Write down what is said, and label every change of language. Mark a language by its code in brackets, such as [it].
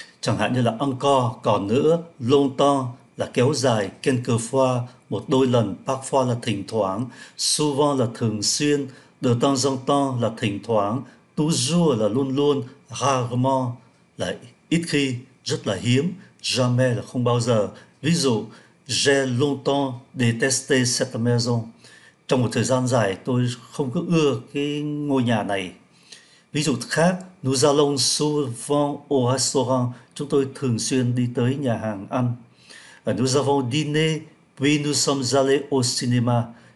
[vi] Chẳng hạn như là encore, còn nữa, longtemps là kéo dài, quelquefois, một đôi lần, parfois là thỉnh thoảng, souvent là thường xuyên, Đờ tăng dòng to là thỉnh thoảng, tu dua là luôn luôn, rarement là ít khi, rất là hiếm, jamais là không bao giờ. Ví dụ, [fr] j'ai longtemps détesté cette maison. [vi] Trong một thời gian dài, tôi không có ưa cái ngôi nhà này. Ví dụ khác, [fr] nous allons souvent au restaurant. [vi] Chúng tôi thường xuyên đi tới nhà hàng ăn. [fr] Nous avons dîné, puis nous sommes allés au cinéma.